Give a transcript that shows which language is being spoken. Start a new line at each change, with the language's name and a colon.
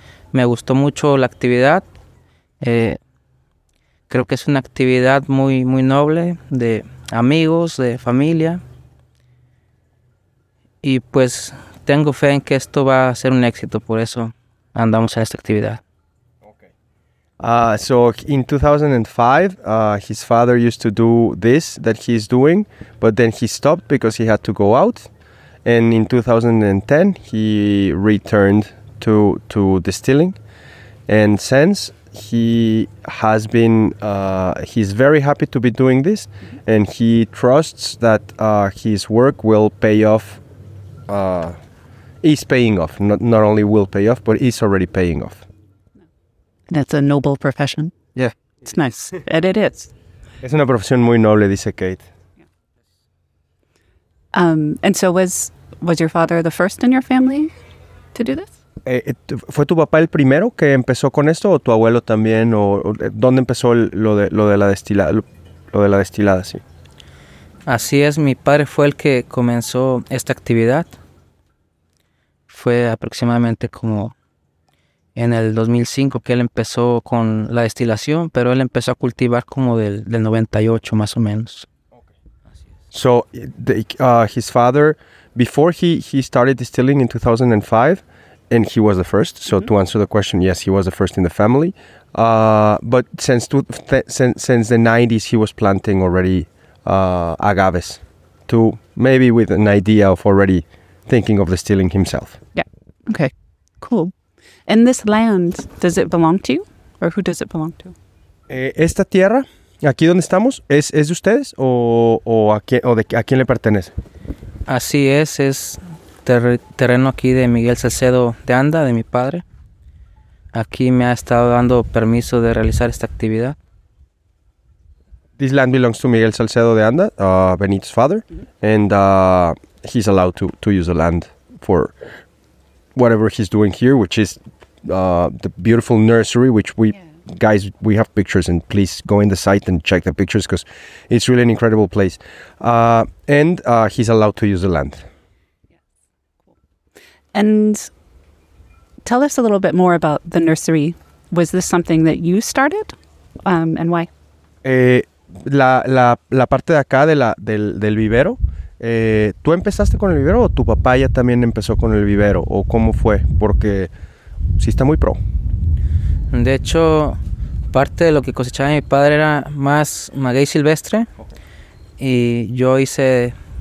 Spanish: Me gustó mucho la actividad, creo que es una actividad muy, muy noble, de amigos, de familia, y pues tengo fe en que esto va a ser un éxito, por eso andamos a esta actividad.
English: Okay. So in 2005, his father used to do this that he's doing, but then he stopped because he had to go out. And in 2010, he returned to distilling. And since, he has been, he's very happy to be doing this, and he trusts that his work will pay off, is paying off, not only will pay off, but is already paying off. That's a noble profession. Yeah. It's nice. And it is.
Spanish: Es una profesión muy noble, dice Kate.
English: And so was your father the first in your family to do this?
Spanish: ¿Fue tu papá el primero que empezó con esto o tu abuelo también? O ¿dónde empezó lo de la destilada? Sí. Así es, mi padre fue el que comenzó esta actividad. Fue aproximadamente como en el 2005 que él empezó con la destilación, pero él empezó a cultivar como del 98 más o menos.
English: So, his father, before he started distilling in 2005, and he was the first. So mm-hmm. to answer the question, yes, he was the first in the family. But since the 90s, he was planting already agaves, to maybe with an idea of already thinking of distilling himself. Yeah. Okay. Cool. And this land, does it belong to you, or who does it belong to?
Spanish: Esta tierra, aquí donde estamos, es de ustedes o a quién le pertenece? Así es. Terreno aquí de Miguel Salcedo de Anda, de mi padre. Aquí me ha estado dando permiso de realizar esta actividad.
English: This land belongs to Miguel Salcedo de Anda, Benito's father, and he's allowed to use the land for whatever he's doing here, which is the beautiful nursery, which we, yeah. Guys, we have pictures, and please go in the site and check the pictures because it's really an incredible place. And he's allowed to use the land. And tell us a little bit more about the nursery. Was this something that you started, and why?
Spanish: La parte de acá de la del vivero. ¿Tú empezaste con el vivero o tu papá ya también empezó con el vivero o cómo fue? Porque sí está muy pro. De hecho, parte de lo que cosechaba mi padre era más maguey silvestre, y yo hice.